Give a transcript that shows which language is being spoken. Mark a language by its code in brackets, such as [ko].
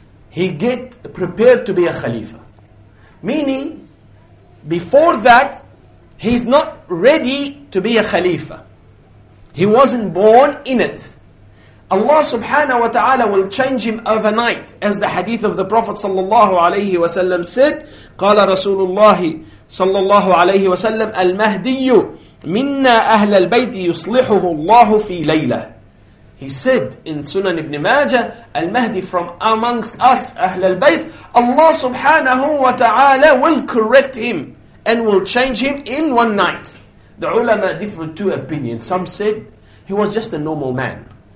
[en] He get prepared to be a khalifa. Meaning, before that, he's not ready to be a khalifa. He wasn't born in it. Allah subhanahu wa ta'ala will change him overnight. As the hadith of the Prophet sallallahu alayhi wa sallam said, [ar] قال رسول الله صلى الله عليه وسلم المهدي منا أهل البيت يصلحه الله في ليلة. [en] He said in Sunan ibn Majah, المهدي from amongst us, أهل البيت, Allah subhanahu wa ta'ala will correct him and will change him in one night. The ulama differed two opinions. Some said he was just a normal man.